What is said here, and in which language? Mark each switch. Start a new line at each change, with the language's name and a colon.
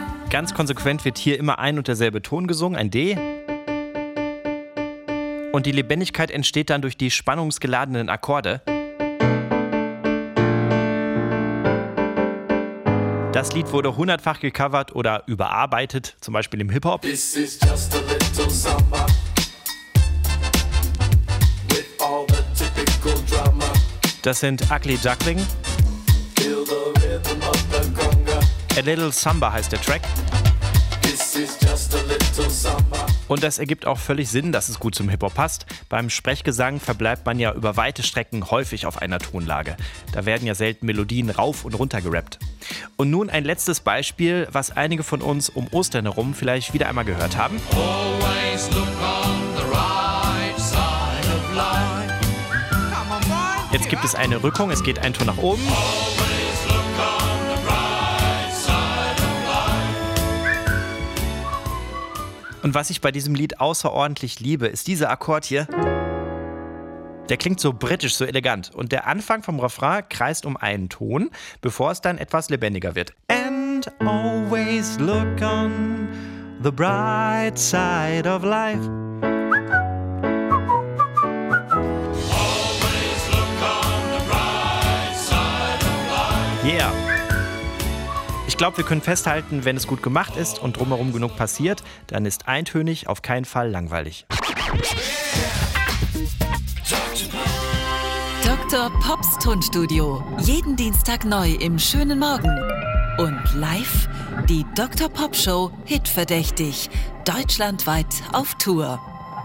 German: Ganz konsequent wird hier immer ein und derselbe Ton gesungen, ein D. Und die Lebendigkeit entsteht dann durch die spannungsgeladenen Akkorde. Das Lied wurde hundertfach gecovert oder überarbeitet, zum Beispiel im Hip-Hop.
English: This is just a little samba. With all the typical drama.
German: Das sind
English: Ugly Duckling. Kill the rhythm of the conga.
German: A Little Samba heißt der Track. Und das ergibt auch völlig Sinn, dass es gut zum Hip-Hop passt. Beim Sprechgesang verbleibt man ja über weite Strecken häufig auf einer Tonlage. Da werden ja selten Melodien rauf und runter gerappt. Und nun ein letztes Beispiel, was einige von uns um Ostern herum vielleicht wieder einmal gehört haben.
English: Always look on the right side of life.
German: Jetzt gibt es eine Rückung, es geht ein Ton nach oben. Und was ich bei diesem Lied außerordentlich liebe, ist dieser Akkord hier. Der klingt so britisch, so elegant. Und der Anfang vom Refrain kreist um einen Ton, bevor es dann etwas lebendiger wird.
English: And always look on the bright side of life. Always look on the bright side of life. Yeah.
German: Ich glaube, wir können festhalten, wenn es gut gemacht ist und drumherum genug passiert, dann ist eintönig auf keinen Fall langweilig. Dr. Pops Tonstudio. Jeden Dienstag neu im schönen Morgen. Und live die Dr. Pop Show Hitverdächtig. Deutschlandweit auf Tour.